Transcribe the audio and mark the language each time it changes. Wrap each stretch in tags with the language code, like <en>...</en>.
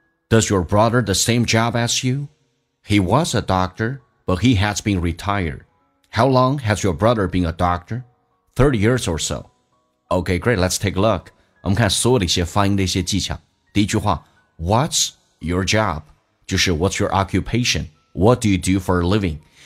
<en>Does your brother the same job as you? He was a doctor, but he has been retired. How long has your brother been a doctor? 30 years or so. Okay, great, let's take a look。</en> <zh>我们看所有的一些发音的一些技巧。第一句话，</zh> <en>What's your job? 就是 What's your occupationWhat do you do for a living?</en>